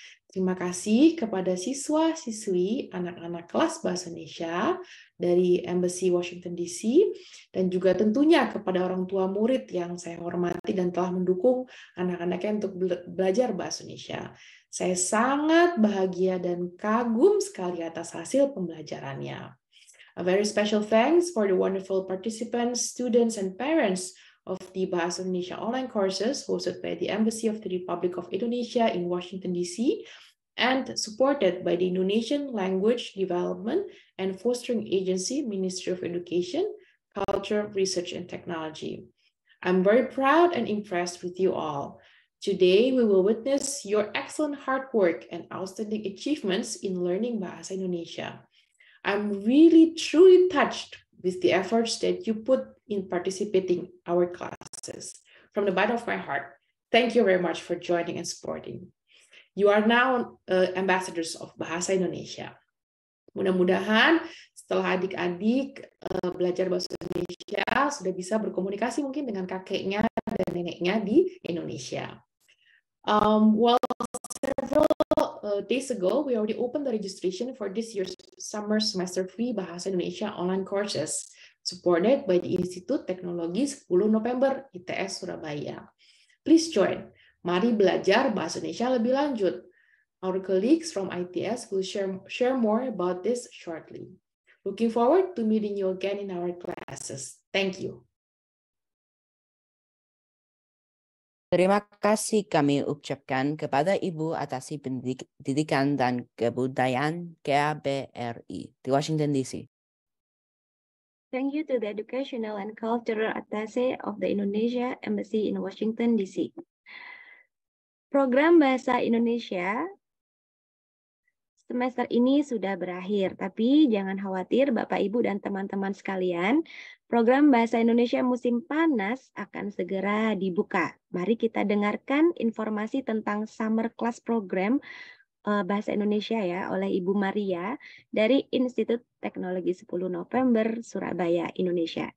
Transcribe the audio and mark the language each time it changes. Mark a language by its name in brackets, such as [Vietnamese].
[Indonesian] Terima kasih kepada siswa-siswi anak-anak kelas Bahasa Indonesia dari Embassy Washington DC dan juga tentunya kepada orang tua murid yang saya hormati dan telah mendukung anak-anaknya untuk belajar Bahasa Indonesia. Saya sangat bahagia dan kagum sekali atas hasil pembelajarannya. [English] A very special thanks for the wonderful participants, students, and parents of the Bahasa Indonesia online courses hosted by the Embassy of the Republic of Indonesia in Washington, D.C., and supported by the Indonesian Language Development and Fostering Agency, Ministry of Education, Culture, Research, and Technology. I'm very proud and impressed with you all. Today, we will witness your excellent hard work and outstanding achievements in learning Bahasa Indonesia. I'm really truly touched with the efforts that you put in participating our classes. From the bottom of my heart, thank you very much for joining and supporting. You are now ambassadors of Bahasa Indonesia. [Indonesian] Mudah-mudahan setelah adik-adik belajar Bahasa Indonesia, sudah bisa berkomunikasi mungkin dengan kakeknya dan neneknya di Indonesia. [English] Well, several days ago, we already opened the registration for this year's summer semester free Bahasa Indonesia online courses, supported by the Institut Teknologi 10 November ITS Surabaya. Please join. [Indonesian] Mari belajar Bahasa Indonesia lebih lanjut. [English] Our colleagues from ITS will share more about this shortly. Looking forward to meeting you again in our classes. Thank you. [Indonesian] Terima kasih kami ucapkan kepada Ibu atas pendidikan dan kebudayaan KBRI di Washington, D.C. [English] Thank you to the Educational and Cultural Attaché of the Indonesia Embassy in Washington, D.C. [Indonesian] Program Bahasa Indonesia semester ini sudah berakhir, tapi jangan khawatir Bapak, Ibu, dan teman-teman sekalian. Program Bahasa Indonesia musim panas akan segera dibuka. Mari kita dengarkan informasi tentang Summer Class Program Bahasa Indonesia ya oleh Ibu Maria dari Institut Teknologi 10 November Surabaya, Indonesia.